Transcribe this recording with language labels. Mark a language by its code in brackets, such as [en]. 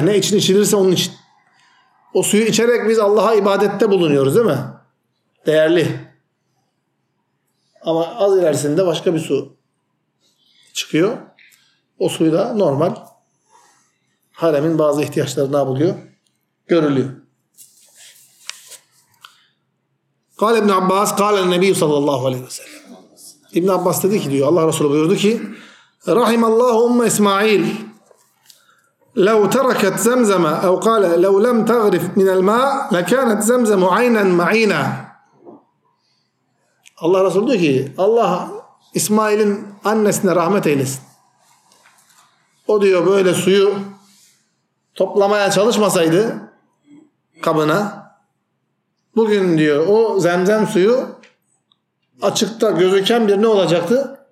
[tr] Ne için içilirse onun için. O suyu içerek biz Allah'a ibadette bulunuyoruz değil mi? Değerli. Ama az ilerisinde başka bir su çıkıyor. O suyu da normal haremin bazı ihtiyaçlarına buluyor. Görülüyor. [ar] قال ابن عباس قال النبي صلى الله عليه وسلم. [tr] İbn Abbas dedi ki, diyor Allah Resulü buyurdu ki: [ar] "Rahim Allahu umme İsmail. لو تركت زمزم او قال لو لم تغرف من الماء لكانت زمزم عينا معينا." [tr] Allah Resulü diyor ki, Allah İsmail'in annesine rahmet eylesin. O diyor böyle suyu toplamaya çalışmasaydı kabına, bugün diyor o zemzem suyu açıkta gözüken bir ne olacaktı?